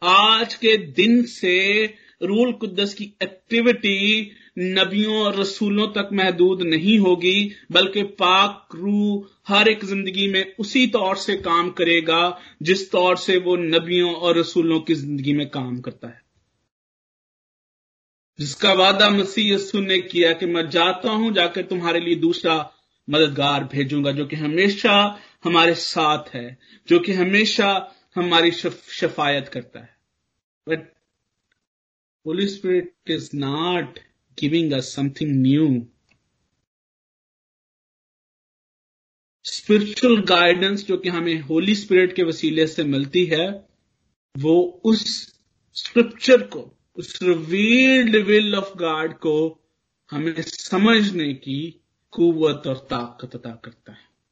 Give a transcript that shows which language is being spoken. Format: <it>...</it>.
<ur>آج کے دن سے روح القدس کی ایکٹیویٹی نبیوں اور رسولوں تک محدود نہیں ہوگی بلکہ پاک روح ہر ایک زندگی میں اسی طور سے کام کرے گا جس طور سے وہ نبیوں اور رسولوں کی زندگی میں کام کرتا ہے. جس کا وعدہ مسیح یسوع نے کیا کہ میں جاتا ہوں, جا کر تمہارے لیے دوسرا مددگار بھیجوں گا جو کہ ہمیشہ ہمارے ساتھ ہے, جو کہ ہمیشہ ہماری شفاعت کرتا ہے.</ur> <en>But Holy Spirit is not giving us something new. Spiritual guidance</en> <ur>جو کہ ہمیں Holy Spirit کے وسیلے سے ملتی ہے وہ اس scripture کو, اس</ur> <en>revealed will of God</en> <ur>کو ہمیں سمجھنے کی قوت اور طاقت عطا کرتا ہے.</ur>